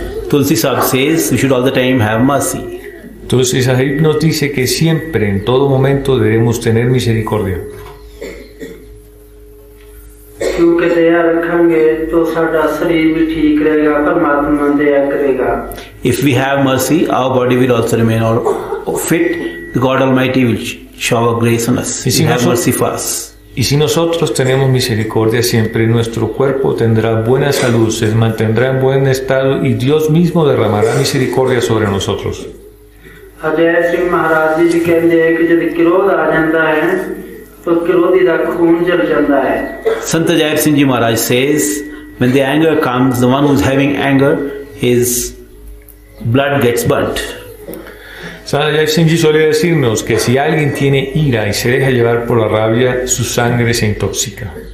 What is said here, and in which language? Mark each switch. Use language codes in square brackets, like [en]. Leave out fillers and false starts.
[en] Tulsi sahib says we should all the time have mercy. [es] Tulsi sahib nos dice que siempre en todo momento debemos tener misericordia. [hi] क्योंकि दया रखेंगे तो साड़ा शरीर भी ठीक रहेगा, परमात्मा दया करेगा। [en] If we have mercy, our body will also remain all fit. God Almighty will shower grace on us. [es] Si [en] have mercy for us. [es] Y si nosotros tenemos misericordia, siempre nuestro cuerpo tendrá buena salud, se mantendrá en buen estado y Dios mismo derramará misericordia sobre nosotros. [hi] Ajay Singh महाराज जी कहते हैं कि जब क्रोध आ जाता है तो क्रोधी का खून जल जाता है। [en] Sant Ajay Singh ji Maharaj says when the anger comes, the one who is having anger, his blood gets burnt. [es] San Ajay Singh Ji suele decirnos que si alguien tiene ira y se deja llevar por la rabia, su sangre se intoxica.